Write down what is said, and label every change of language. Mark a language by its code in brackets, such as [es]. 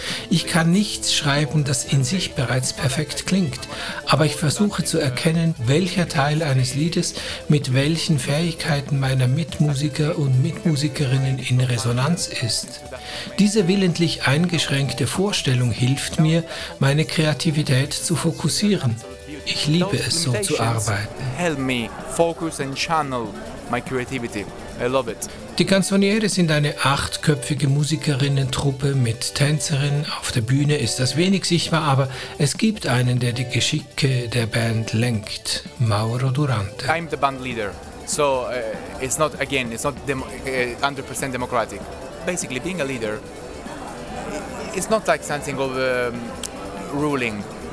[de] Ich kann nichts schreiben, das in sich bereits perfekt klingt, aber ich versuche zu erkennen, welcher Teil eines Liedes mit welchen Fähigkeiten meiner Mitmusiker und Mitmusikerinnen in Resonanz ist. Diese willentlich eingeschränkte Vorstellung hilft mir, meine Kreativität zu fokussieren. Ich liebe es, so zu arbeiten. [en] Help me focus and channel my creativity. I love it. [de] Die Canzoniere sind eine achtköpfige Musikerinnen-Truppe mit Tänzerinnen. Auf der Bühne ist das wenig sichtbar, aber es gibt einen, der die Geschicke der Band lenkt: Mauro Durante. [en] I'm the band leader, so it's not 100% democratic. Basically, being a leader, it's not like something of ruling.